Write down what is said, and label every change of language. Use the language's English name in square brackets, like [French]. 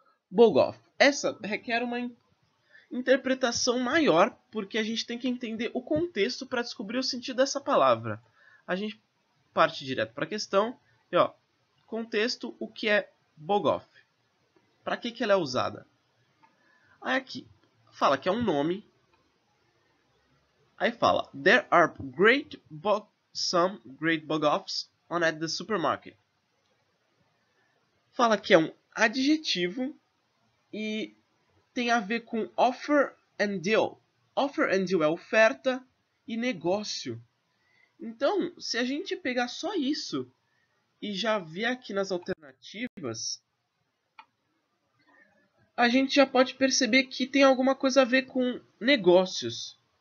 [Portuguese] Bogoff. Essa requer uma interpretação maior, porque a gente tem que entender o contexto para descobrir o sentido dessa palavra. A gente parte direto para a questão. E, ó, contexto, o que é Bogoff? Para que que ela é usada? Aí aqui fala que é um nome. Aí fala: [English] There are some great Bogoffs on at the supermarket. [Portuguese] Fala que é um adjetivo e tem a ver com [English] offer and deal. Offer and deal [Portuguese] é oferta e negócio. Então, se a gente pegar só isso e já vi aqui nas alternativas, a gente já pode perceber que tem alguma coisa a ver com negócios.